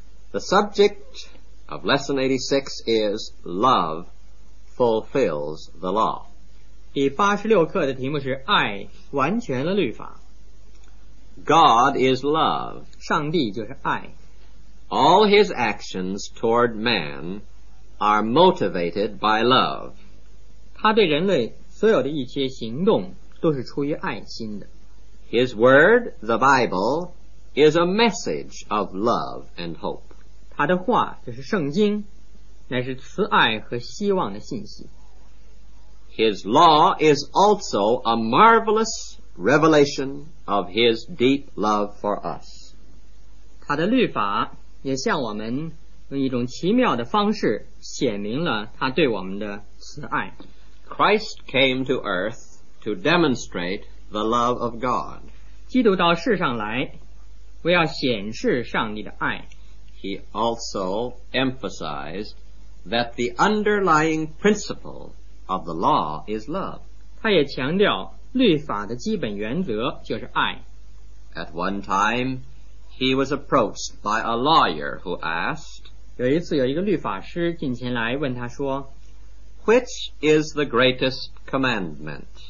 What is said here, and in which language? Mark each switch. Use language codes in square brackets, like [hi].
[en] The subject of Lesson 86 is Love Fulfills the Law. [zh] 第八十六课的题目是爱完全了律法。 [en] God is love. [zh] 上帝就是爱。 [en] All his actions toward man are motivated by love. [zh] 他对人类所有的一些行动都是出于爱心的。 [en] His word, the Bible, is a message of love and hope. [zh] 他的话就是圣经，乃是慈爱和希望的信息。 [en] His law is also a marvelous revelation of his deep love for us. [zh] 他的律法也向我们用一种奇妙的方式显明了他对我们的慈爱。 [en] Christ came to earth to demonstrate the love of God. [zh] 基督到世上来，为要显示上帝的爱。 [en] He also emphasized that the underlying principle of the law is love. [zh] 他也强调律法的基本原则就是爱。 [en] At one time, he was approached by a lawyer who asked, [zh] 有一次有一个律法师进前来问他说, [en] Which is the greatest commandment?